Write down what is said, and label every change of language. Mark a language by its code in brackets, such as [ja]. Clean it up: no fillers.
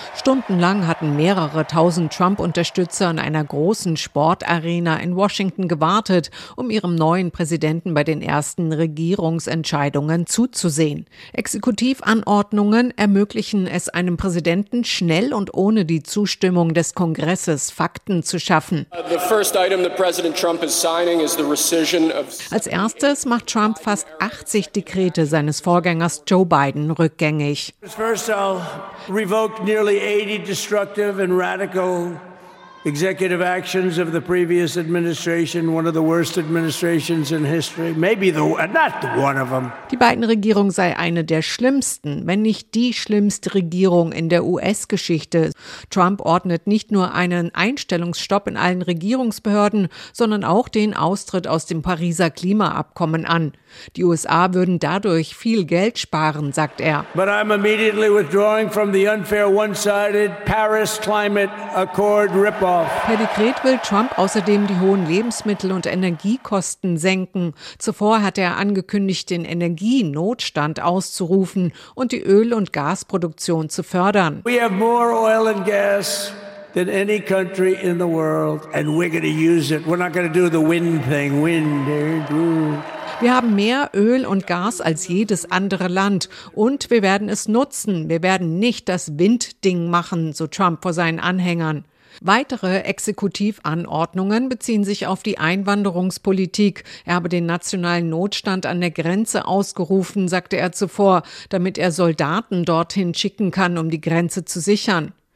[de] Stundenlang hatten mehrere tausend Trump-Unterstützer in einer großen Sportarena in Washington gewartet, um ihrem neuen Präsidenten bei den ersten Regierungsentscheidungen zuzusehen. Exekutivanordnungen ermöglichen es einem Präsidenten, schnell und ohne die Zustimmung des Kongresses Fakten zu schaffen. [en] The first item that President Trump is signing is the rescission. [de] Als erstes macht Trump fast 80 Dekrete seines Vorgängers Joe Biden rückgängig. [en] First I'll revoke nearly 80 destructive and radical executive actions of the previous administration, one of the worst administrations in history, maybe the not one of them. [de] Die Biden-Regierung sei eine der schlimmsten, wenn nicht die schlimmste Regierung in der US-Geschichte. Trump ordnet nicht nur einen Einstellungsstopp in allen Regierungsbehörden, sondern auch den Austritt aus dem Pariser Klimaabkommen an. Die USA würden dadurch viel Geld sparen, sagt er. [en] But I'm immediately withdrawing from the unfair one-sided Paris Climate Accord. [de] Per Dekret will Trump außerdem die hohen Lebensmittel- und Energiekosten senken. Zuvor hatte er angekündigt, den Energienotstand auszurufen und die Öl- und Gasproduktion zu fördern. [en] We have more oil and gas than any country in the world, and we're going to use it. We're not going to do the wind thing. Wind. [de] Wir haben mehr Öl und Gas als jedes andere Land und wir werden es nutzen. Wir werden nicht das Windding machen, so Trump vor seinen Anhängern. Weitere Exekutivanordnungen beziehen sich auf die Einwanderungspolitik. Er habe den nationalen Notstand an der Grenze ausgerufen, sagte er zuvor, damit er Soldaten dorthin schicken kann, um die Grenze zu sichern.